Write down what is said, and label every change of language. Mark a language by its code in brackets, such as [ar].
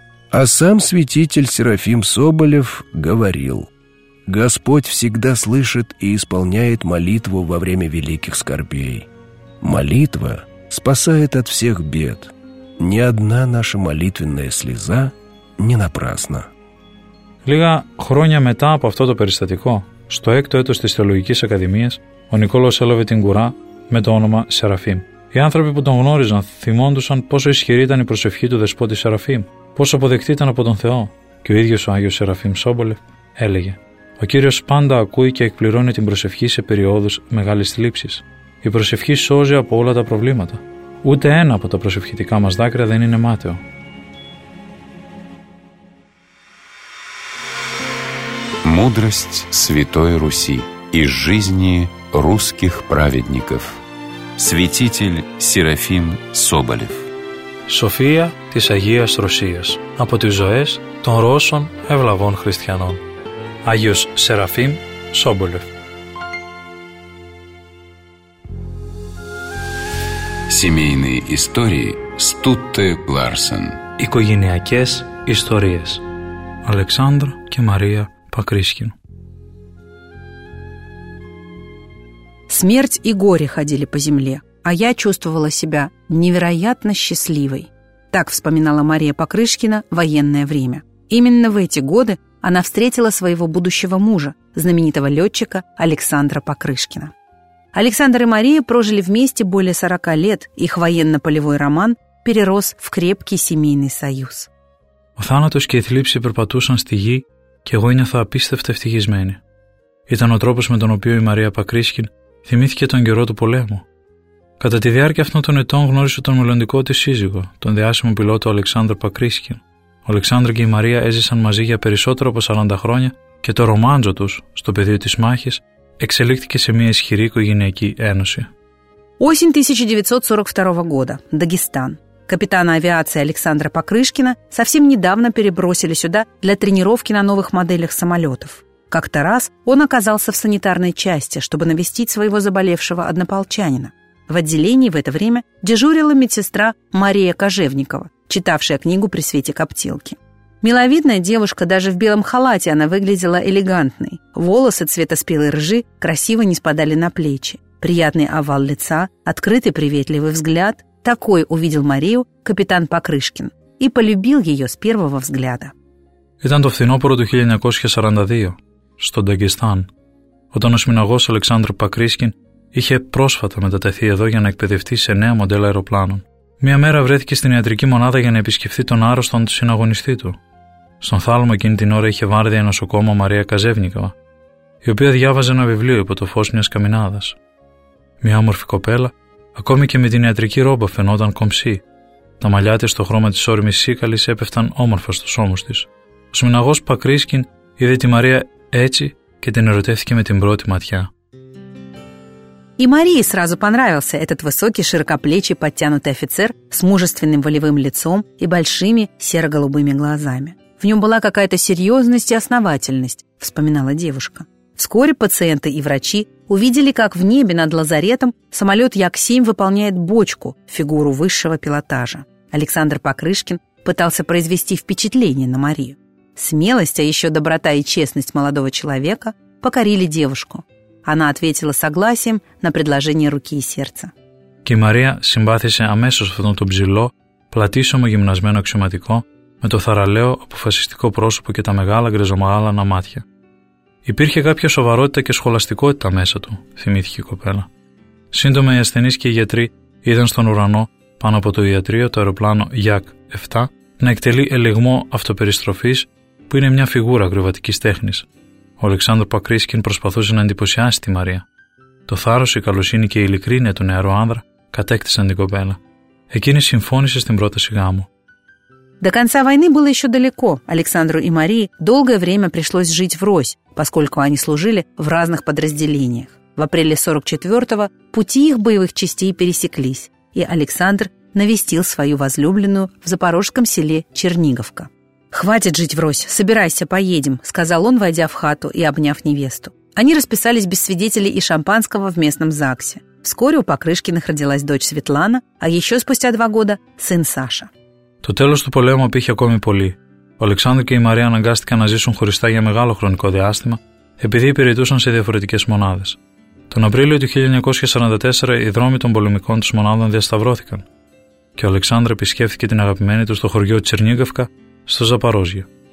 [ru] А сам святитель Серафим Соболев говорил: «Господь всегда слышит и исполняет молитву во время великих скорбей. Молитва спасает от всех бед. Ни одна наша молитвенная слеза не напрасна». [el] Λίγα χρόνια μετά από αυτό το περιστατικό, στο έκτο έτος της Θεολογικής Ακαδημίας, ο Νικόλαος έλαβε την κουρά με το όνομα Σεραφείμ. Οι άνθρωποι που τον γνώριζαν θυμόντουσαν πόσο ισχυρή ήταν η προσευχή του δεσπότη Σεραφείμ, πόσο αποδεκτή ήταν από τον Θεό. Και ο ίδιος ο Άγιος Σεραφείμ Σόμπολεφ έλεγε: «Ο Κύριος πάντα ακούει και εκπληρώνει την προσευχή σε περιόδους μεγάλης θλίψης. Η προσευχή σώζει από όλα τα προβλήματα. Ούτε ένα από τα προσευχητικά μας δάκρυα δεν είναι μάταιο». [ru] Мудрость Святой Руси из жизни русских праведников. Святитель Серафим Соболев. [el] София της Агίας Ρωσίας. Από τις ζωές των Ρώσων ευλαβών χριστιανών. Άγιος Σεραφείμ Σόμπολεφ. [ru] Семейные истории Стутте Ларсен. [el] Οικογενειακές ιστορίες. Αλεξάνδρα και Μαρία Покрышкин. [ru] Смерть и горе ходили по земле, а я чувствовала себя невероятно счастливой. Так вспоминала Мария Покрышкина военное время. Именно в эти годы она встретила своего будущего мужа, знаменитого летчика Александра Покрышкина. Александр и Мария прожили вместе более 40 лет, их военно-полевой роман перерос в крепкий семейный союз. [el] Ο θάνατος και η θλίψη περπατούσαν στη γη και εγώ ένιωθα απίστευτα ευτυχισμένη. Ήταν ο τρόπος με τον οποίο η Μαρία Πακρίσκιν θυμήθηκε τον καιρό του πολέμου. Κατά τη διάρκεια αυτών των ετών γνώρισε τον μελλοντικό της σύζυγο, τον διάσημο πιλότο Αλεξάνδρο Πακρίσκιν. Ο Αλεξάνδρο και η Μαρία έζησαν μαζί για περισσότερο από 40 χρόνια και το ρομάντζο τους στο πεδίο της μάχης εξελίχθηκε σε μια ισχυρή οικογενειακή ένωση. [ru] Осень 1942 года, Дагестан. Капитана авиации Александра Покрышкина совсем недавно перебросили сюда для тренировки на новых моделях самолетов. Как-то раз он оказался в санитарной части, чтобы навестить своего заболевшего однополчанина. В отделении в это время дежурила медсестра Мария Кожевникова, читавшая книгу при свете коптилки. Миловидная девушка, даже в белом халате она выглядела элегантной. Волосы цвета спелой ржи красиво ниспадали на плечи. Приятный овал лица, открытый приветливый взгляд – такой увидел Марию капитан Покрышкин и полюбил ее с первого взгляда. [el] Ήταν το φθινόπωρο του 1942, στον Ταγκιστάν, όταν ο σμιναγός Αλεξάνδρο Πακρίσκιν είχε πρόσφατα μετατεθεί εδώ για να εκπαιδευτεί σε νέα μοντέλα αεροπλάνων. Μία μέρα βρέθηκε στην ιατρική μονάδα για να επισκεφθεί τον άρρωστον του συναγωνιστή του. Στον θάλαμο εκείνη την ώρα είχε βάρδια νοσοκόμο Μαρία Καζεύνικαβα, η οποία διάβαζε ένα βιβλίο υπό το φως μιας καμινάδας. Μία όμορφη κοπέλα, ακόμη και με την ιατρική ρόμπα φαινόταν κομψή. Τα μαλλιά της στο χρώμα της όρημης σίκαλης έπεφταν όμορφα στους ώμους της. Ο σμιναγός Πακρίσκιν είδε τη Μαρία έτσι και την ερωτεύθηκε με την πρώτη ματιά. Η Μαρία [ru] сразу понравился этот высокий, широкоплечий, подтянутый офицер с мужественным волевым лицом и большими серо-голубыми глазами. В нем была какая-то серьезность и основательность, вспоминала девушка. Вскоре пациенты и врачи увидели, как в небе над лазаретом самолет Як-7 выполняет бочку, фигуру высшего пилотажа. Александр Покрышкин пытался произвести впечатление на Марию. Смелость, а еще доброта и честность молодого человека покорили девушку. Она ответила согласием на предложение руки и сердца. [el] Και η Μαρία συμπάθησε αμέσως αυτόν τον ψηλό, πλατήσωμο γυμνασμένο αξιωματικό, με το θαραλέο, αποφασιστικό πρόσωπο και τα μεγάλα γκρεζομαγάλανα μάτια. Υπήρχε κάποια σοβαρότητα και σχολαστικότητα μέσα του, θυμήθηκε η κοπέλα. Σύντομα οι ασθενείς και οι γιατροί είδαν στον ουρανό, πάνω από το ιατρείο, το αεροπλάνο Yak 7, να εκτελεί ελιγμό αυτοπεριστροφής, που είναι μια φιγούρα ακροβατικής τέχνης. Ο Αλεξάνδρου Πακρίσκιν προσπαθούσε να εντυπωσιάσει τη Μαρία. Το θάρρος, η καλοσύνη και η ειλικρίνεια του νεαρού άνδρα κατέκτησαν την κοπέλα. Εκείνη συμφώνησε στην πρόταση γάμου. [ru] До конца войны было еще далеко. Александру и Марии долгое время пришлось жить врозь, поскольку они служили в разных подразделениях. В апреле 44-го пути их боевых частей пересеклись, и Александр навестил свою возлюбленную в запорожском селе Черниговка. «Хватит жить врозь, собирайся, поедем», — сказал он, войдя в хату и обняв невесту. Они расписались без свидетелей и шампанского в местном ЗАГСе. Вскоре у Покрышкиных родилась дочь Светлана, а еще спустя 2 года – сын Саша. [el] Το τέλος του πολέμου απήχε ακόμη πολύ. Ο Αλεξάνδρ και η Μαρία αναγκάστηκαν να ζήσουν χωριστά για μεγάλο χρονικό διάστημα, επειδή υπηρετούσαν σε διαφορετικές μονάδες. Τον Απρίλιο του 1944 οι δρόμοι των πολεμικών τους μονάδων διασταυρώθηκαν και ο Αλεξάνδρ επισκέφθηκε την αγαπημένη του στο χωριό Τσερνίγκαυκα, στο Ζαπαρόζιο.